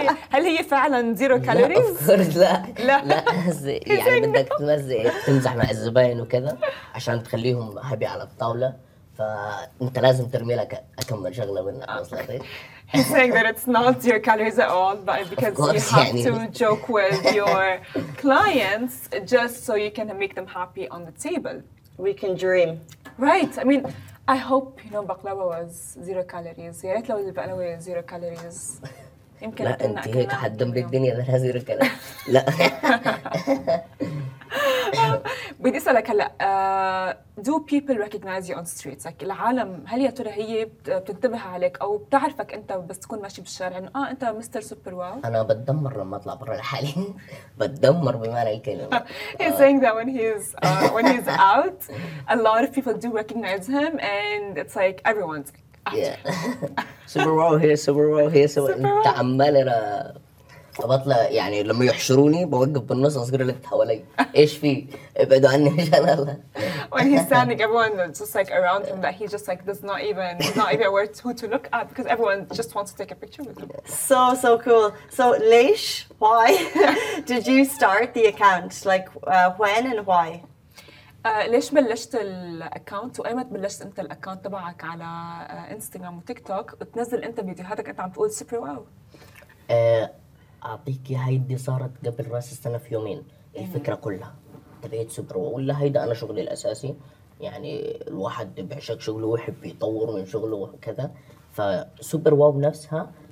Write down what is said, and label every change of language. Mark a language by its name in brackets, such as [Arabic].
[Arabic] هل هي فعلاً zero calories؟ لا. أفكر لا. لا. لا. يعني بدك تمزح مع الزباين وكذا عشان تخليهم هبي على الطاولة. فأنت لازم ترمي لك أكمل شغلة منك أصلاً. [English] He's saying that it's not zero calories at all, but because course, you have yeah, to joke with your clients just so you can make them happy on the table. We can dream. Right. I mean, I hope, you know, baklava was zero calories. [Arabic] يا ريت لو البقلاوي zero calories. لا انت هيك حتدمري الدنيا لها zero calories. لا. بدي اسألك هلا [English] do people recognize you on streets like [Arabic] العالم هل يا ترى هي بتنتبه عليك او بتعرفك انت بس تكون ماشي بالشارع انه انت مستر سوبر واو انا بتدمر لما اطلع برا لحالي بتدمر بمعنى الكلمه [English] he's saying that when he's out a lot of people do recognize him and it's like everyone's [Arabic] super wow here انت عمال انا بطلع يعني لما يحشروني بوقف بالنص اصغر لك حوالي ايش في ابعدوا عني عشان الله [English] when he's standing everyone just like around him that he just like does not even aware who to look at because everyone just wants to take a picture with him so cool so ليش why did you start the account like when and why [Arabic] ليش بلشت الاكونت وايمت بلشت انت الاكونت تبعك على انستغرام وتيك توك وتنزل انت فيديوهاتك انت عم تقول سوبر واو أعطيك هيدي صارت قبل رأس السنة في يومين الفكرة كلها تبعيت سوبر واو ولا هيدا أنا شغلي الأساسي يعني الواحد بيعشق شغله ويحب يطور من شغله وكذا فسوبر واو نفسها